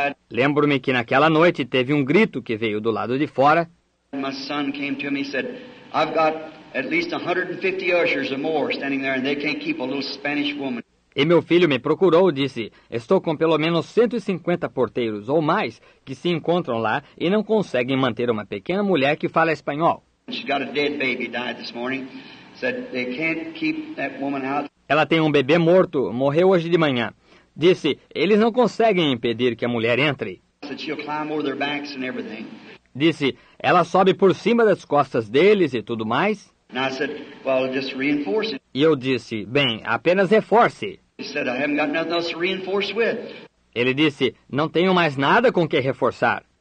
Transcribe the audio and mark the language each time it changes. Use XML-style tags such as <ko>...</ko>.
<pt>Lembro-me que naquela noite teve um grito que veio do lado de fora.</pt> <en>My son came to me and said, I've got at least 150 ushers or more standing there and they can't keep a little Spanish woman.</en> <pt>E meu filho me procurou e disse, estou com pelo menos 150 porteiros ou mais que se encontram lá e não conseguem manter uma pequena mulher que fala espanhol.</pt> <en>She's got a dead baby, died this morning. Said they can't keep that woman out.</en> <pt>Ela tem um bebê morto, morreu hoje de manhã. Disse, eles não conseguem impedir que a mulher entre.</pt> <en>Said she'll climb over their backs and everything.</en> <pt>Disse, ela sobe por cima das costas deles e tudo mais.</pt> <en>And I said, well, just reinforce it.</en> <pt>E eu disse, bem, apenas reforce.</pt> <en>He said, I haven't got nothing else to reinforce with.</en> <pt>Ele disse, não tenho mais nada com que reforçar.</pt>